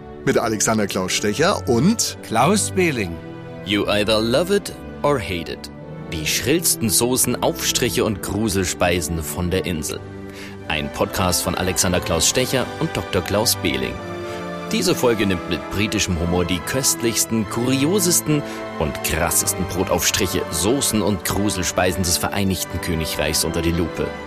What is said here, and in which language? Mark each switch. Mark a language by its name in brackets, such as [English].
[German] Mit Alexander Klaus Stecher und Klaus Behling. [English] You either love it or hate it. [German] Die schrillsten Soßen, Aufstriche und Gruselspeisen von der Insel. Ein Podcast von Alexander Klaus Stecher und Dr. Klaus Behling. Diese Folge nimmt mit britischem Humor die köstlichsten, kuriosesten und krassesten Brotaufstriche, Soßen und Gruselspeisen des Vereinigten Königreichs unter die Lupe.